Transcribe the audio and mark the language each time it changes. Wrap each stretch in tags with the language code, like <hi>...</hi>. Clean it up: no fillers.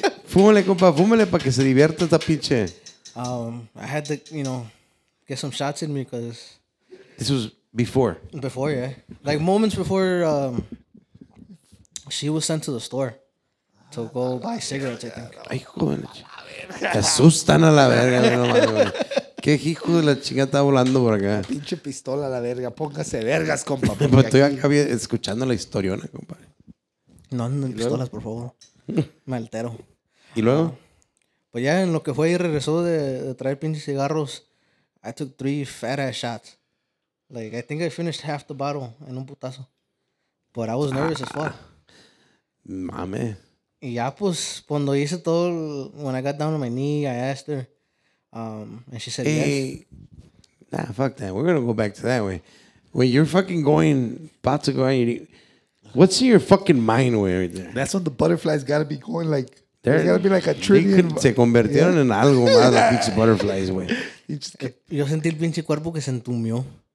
<es>fúmele, compa, fúmele para que se divierta esta pinche.</es> <en>I had to, you know, get some shots in me because this was before. Before, yeah. Like moments before she was sent to the store. To go buy cigarettes, I think.</en> <es>Ay, joder. Te asustan a la verga. Qué hijo de la chingada está volando por acá. Pinche pistola a la verga. Póngase vergas, compa. Pero estoy acá escuchando la historiona, compa. No anden pistolas, por favor. Me altero. ¿Y luego? Pues ya en lo que fue y regresó de traer pinches cigarros,</es> <en>I took 3 fat ass shots. Like, I think I finished half the bottle</en> <es>en un putazo.</es> <en>But I was nervous as fuck.</en> <es>Mame. Y ya pues cuando hice todo,</es> <en>when I got down on my knee, I asked her, and she said, hey, yes. Nah, fuck that. We're gonna go back to that way. When you're fucking going, about to go out, what's in your fucking mind way right there? That's what the butterflies gotta be going like. There's gotta be like a trillion.</en> <es>Se convirtieron en algo más los pinches butterflies, güey. Yo sentí el pinche cuerpo que se entumió.</es>